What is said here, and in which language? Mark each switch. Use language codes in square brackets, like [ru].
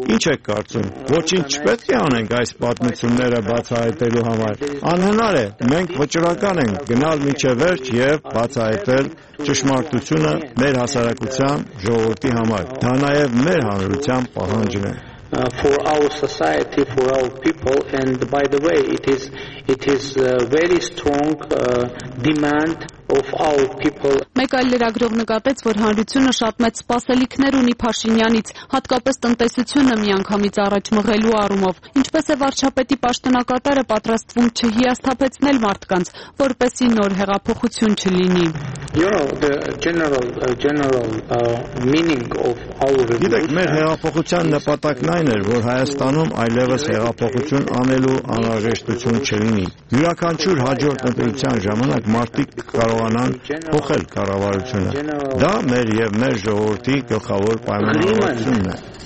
[hy] Ինչ եք կարծում, ոչինչ չպետք է անենք այս պատմությունները բացահայտելու համար։ Անհնար է, մենք վճռական ենք գնալ մինչև վերջ և բացահայտել ճշմարտությունը մեր հասարակության ժողովրդի համար, դա նաև մեր հանրության պահանջն է։ [en] For our society, for our people, and by the way, it is a very strong demand of our people. [hy] Մեկ այլ լրագրող նկատեց, որ հանրությունը շատ մեծ սպասելիքներ ունի Փաշինյանից, հատկապես տնտեսությունը միանգամից առաջ մղելու առումով, ինչպես է վարչապետի պաշտոնակատարը պատրաստվում չհիասթափեցնել մարդկանց, որպեսի նոր հեղափոխություն չլինի։ Գիտեք, մեր հեղափոխության նպատակն այն էր, որ Հայաստանում այլևս հեղափոխություն անելու անհրաժեշտություն չլինի։ Յուրաքանչյուր հաջորդ ընտրության ժամանակ մարդիկ կարողանան փոխել կառավարությունը։ Դա մեր և մեր ժողովրդի գլխավոր պայմանավորվածությունն է։